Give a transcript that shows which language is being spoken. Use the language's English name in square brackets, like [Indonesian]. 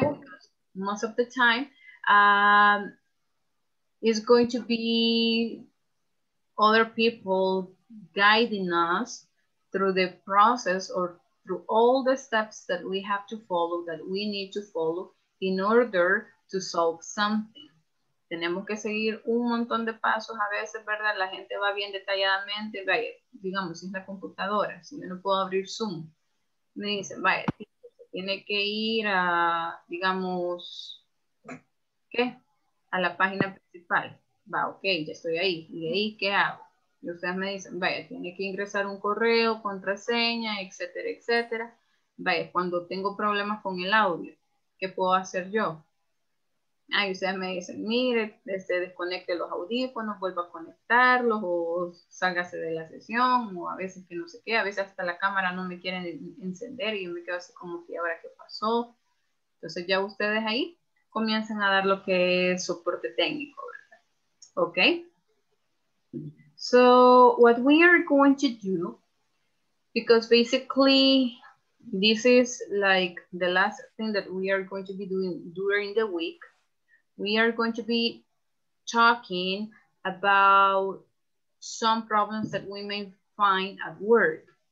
[English] Because most of the time, it's going to be other people guiding us through the process or through all the steps that we have to follow, that we need to follow in order to solve something. [Spanish] Tenemos que seguir un montón de pasos a veces, ¿verdad? La gente va bien detalladamente, vaya, digamos, si es la computadora, si yo no puedo abrir Zoom, me dicen, vaya, tiene que ir a, digamos, ¿qué? A la página principal. Va, ok, ya estoy ahí. ¿Y de ahí qué hago? Y ustedes me dicen, vaya, tiene que ingresar un correo, contraseña, etcétera, etcétera. Vaya, cuando tengo problemas con el audio, ¿qué puedo hacer yo? Ahí ustedes me dicen, mire, desconecte los audífonos, vuelva a conectarlos, o sálgase de la sesión, o a veces que no sé qué, a veces hasta la cámara no me quieren encender y yo me quedo así como que ahora qué pasó. Entonces ya ustedes ahí comienzan a dar lo que es soporte técnico, ¿verdad? ¿Ok? [English] So what we are going to do, because basically this is like the last thing that we are going to be doing during the week, we are going to be talking about some problems that we may find at work.